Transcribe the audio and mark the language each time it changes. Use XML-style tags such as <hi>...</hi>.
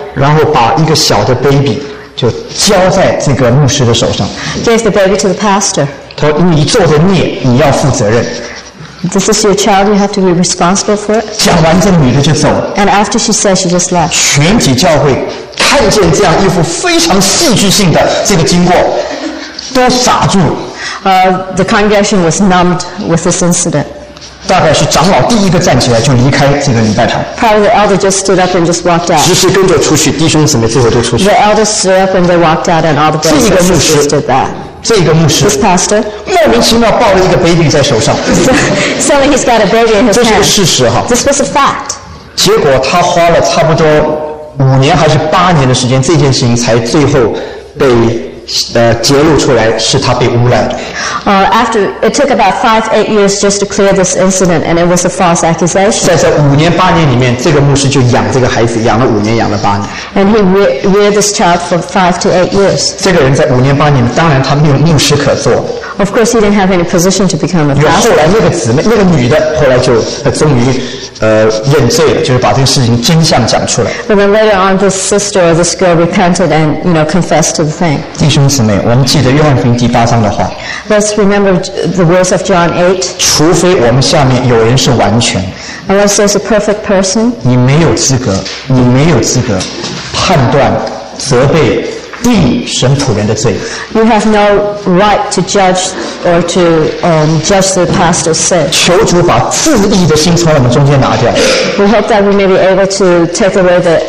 <zh>然后把一个小的 baby 就交在这个牧师的手上。</zh> <en>Gave the baby to the pastor.</en> <zh>他说：“你做的孽，你要负责任。”</zh> <en>This is your child. You have to be responsible for it.</en> <zh>讲完这个女的就走了。</zh> <en>And after she said, she just left.</en> <zh>全体教会看见这样一幅非常戏剧性的这个经过，都傻住了。</zh> <en>The congregation was numbed with this incident.</en> <zh>大概是长老第一个站起来就离开这个礼拜堂。</zh> <en>Probably the elder just stood up and just walked out.</en> <zh>只是跟着出去，弟兄姊妹最后都出去。</zh> <en>The elder stood up and they walked out, and all the brothers and sisters did that.</en> <zh>这个牧师</zh> <en>This pastor,</en> <zh>莫名其妙抱了一个 baby 在手上</zh> <en>Suddenly he's got a baby in his hand</en> <zh>这是个事实哈</zh> <en>This was a fact</en> <zh>结果他花了差不多五年还是八年的时间这件事情才最后被揭露出来是他被诬赖的</zh> <en>After it took about 5-8 years just to clear this incident and it was a false accusation</en> <zh>在这五年八年里面这个牧师就养这个孩子养了五年养了八年</zh> <en>And he reared this child for 5-8 years</en> <zh>这个人在五年八年当然他没有牧师可做</zh> <en>Of course he didn't have any position to become a pastor</en> <zh>后来那个姊妹那个女的后来就终于认罪了就是把这个事情真相讲出来</zh> <en>But then later on this sister or this girl repented and you know confessed to the thing</en> <zh>弟兄姊妹我们记得约翰福音第八章的话</zh> <en>Let's remember the words of John 8</en> <zh>除非我们下面有人是完全</zh> <en>Unless there's a perfect person</en> <zh>你没有资格判断责备定神仆人的罪</zh> <en>You have no right to judge or to judge the pastor's sin</en> <zh>求主把自义的心从我们中间拿掉</zh> <en>We hope that we may be able to take away the</en>